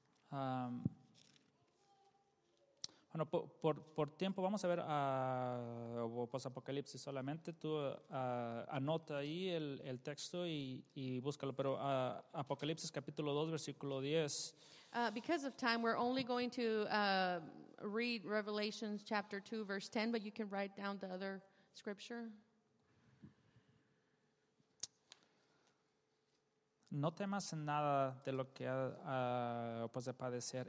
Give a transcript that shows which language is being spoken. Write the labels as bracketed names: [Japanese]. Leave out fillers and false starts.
[Spanish] Bueno, por tiempo vamos a ver a pues Apocalipsis solamente. Tú anota ahí el texto y búscalo, pero Apocalipsis capítulo 2 versículo 10. [English] Because of time, we're only going to read Revelation chapter 2, verse 10, but you can write down the other scripture. [Spanish] No temas en nada de lo que pues de padecer.